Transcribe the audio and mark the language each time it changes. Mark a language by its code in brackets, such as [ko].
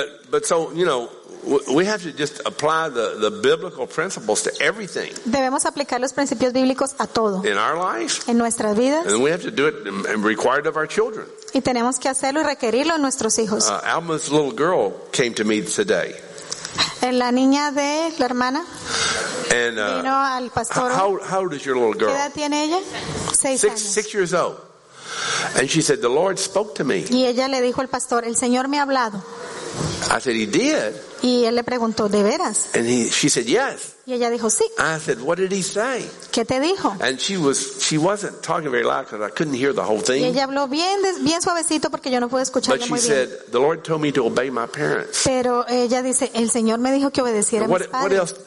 [en] But so, you know, we have to just apply the biblical principles to everything. [es] Debemos aplicar los principios bíblicos a todo. [en] In our life. [es] En nuestras vidas. [en] And we have to do it and required of our children. [es] Y tenemos que hacerlo y requerirlo a nuestros hijos. [en] Alma's little girl came to me today. [es] La niña de la hermana. [en] And, [es] vino al pastor. [en] How old is your little girl? [es] ¿Qué edad tiene ella? [en] Six años. 6 years old. And she said, the Lord spoke to me. [es] Y ella le dijo al pastor, el Señor me ha hablado. [en] I said, he did. [es] Y él le preguntó, ¿de veras? [en] And she said, yes. [es] Y ella dijo, sí. [en] I said, what did he say? [es] ¿Qué te dijo? [en] And she wasn't talking very loud because I couldn't hear the whole thing. [es] Y ella habló bien suavecito porque yo no pude escucharla muy bien. [en] But she said, the Lord told me to obey my parents. [es] Pero ella dice, el Señor me dijo que obedeciera a mis padres.